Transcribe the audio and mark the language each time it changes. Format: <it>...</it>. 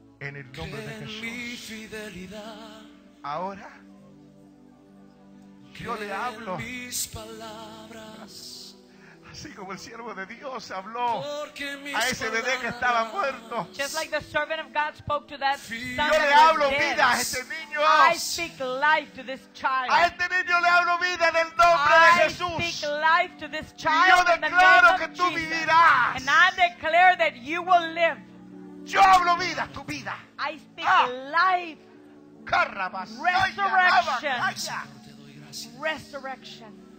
<es>en el nombre de Jesús. Mi fidelidad, ahora yo le hablo mis palabras, así como el siervo de Dios habló a ese bebé que estaba muerto.</es> <en>Just like the servant of God spoke to that son,</en> <es>yo le hablo vida a este niño.</es> <en>I speak life to this child.</en> <es>A este niño le hablo vida en el nombre</es> <en>I</en> <es>de Jesús.</es> <en>Speak life to this child.</en> <es>Yo declaro que tú</es> <en>Jesus.</en> <es>Vivirás.</es> <en>And I declare that you will live.</en> <es>Yo hablo vida, tu vida.</es> <en>I speak life. Resurrection. Resurrection.</en>